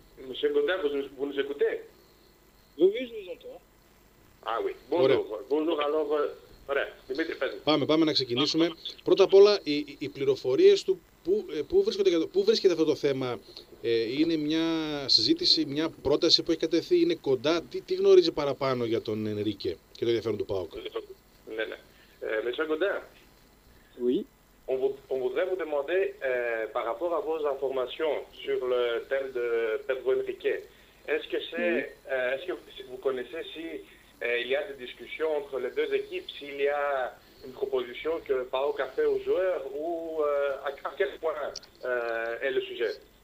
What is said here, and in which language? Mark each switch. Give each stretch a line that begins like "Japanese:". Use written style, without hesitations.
French: Monsieur Gaudin, vous nous écoutez? Oui, je vous entends. Ah oui, bonjour. Bonjour, alors,
Greek: ωραία, Δημήτρη, παίζει. Πάμε να ξεκινήσουμε. Πρώτα απ' όλα, οι πληροφορίες του, πού βρίσκεται αυτό το θέμα? Είναι μια συζήτηση, μια πρόταση που έχει κατευθεί, είναι κοντά? Τι γνωρίζει παραπάνω για τον Ενρίκε και το ενδιαφέρον του ΠΑΟΚ? Ναι, monsieur Gaudin.
French: Oui. On voudrait vous demander, par rapport à vos informations sur le thème de Pedro Henrique, est-ce que vous connaissez si il y a des discussions entre les deux équipes, s'il y a une proposition que Paok a fait aux joueurs, ou à quel point est le sujet?